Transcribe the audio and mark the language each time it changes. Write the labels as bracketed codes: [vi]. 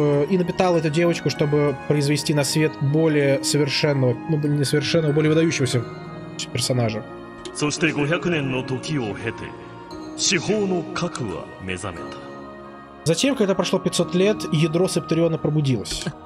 [ru] И напитала эту девочку, чтобы произвести на свет более совершенного, ну, не совершенного, более выдающегося персонажа. [ja] そして500年の時を経て、至宝の核は目覚めた。 [ru] Затем, когда прошло 500 лет, ядро Септ-Терриона пробудилось.